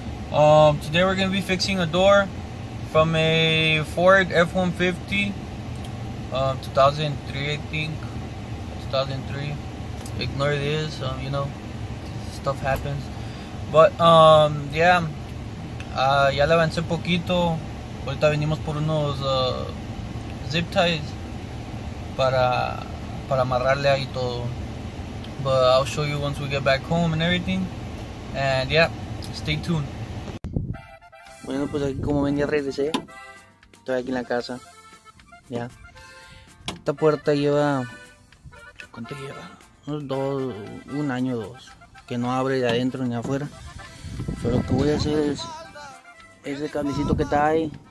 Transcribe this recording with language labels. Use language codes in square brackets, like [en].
[en] Today we're gonna be fixing a door from a Ford F-150, 2003. Ignore this, you know, stuff happens. [es] But ya le avancé poquito. Ahorita venimos por unos zip ties para amarrarle ahí todo. [en] But I'll show you once we get back home and everything. And yeah, stay tuned. [es] Bueno, pues aquí como ven ya regresé. Estoy aquí en la casa. Ya. Esta puerta lleva... ¿Cuánto lleva? Un año o dos. Que no abre de adentro ni afuera. Pero lo que voy a hacer es... ese cablecito que está ahí.